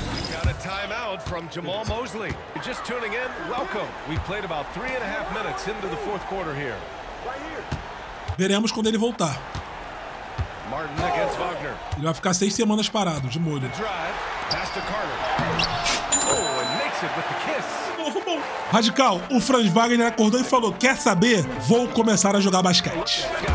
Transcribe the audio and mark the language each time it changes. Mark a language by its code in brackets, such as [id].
[en] got a timeout from Jamal Mosley. Just tuning in, welcome. We played about 3.5 minutes into the fourth quarter here. [pt] Veremos quando ele voltar. [en] Martin against Wagner. [pt] Ele vai ficar 6 semanas parado, de molho. [en] Drive, pass to Carter. Oh, and makes it with the kiss. [pt] Radical, o Franz Wagner acordou e falou: quer saber? Vou começar a jogar basquete.